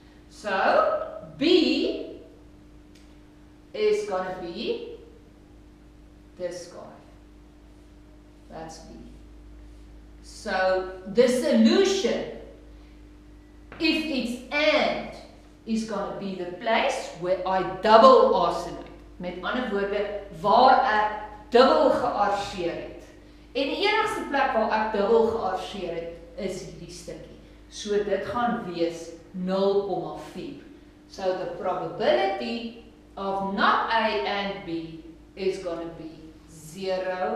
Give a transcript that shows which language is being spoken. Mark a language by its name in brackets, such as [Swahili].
[English] So B is gonna be this guy. That's B. So the solution, if it's and, is going to be the place where I double arsenate. [Afrikaans] Met ander woorde, waar ek dubbel gearseer het. En die enigste plek waar ek dubbel gearseer het, is die stukkie. So dit gaan wees 0,4. [English] So the probability of not A and B is going to be 0,4.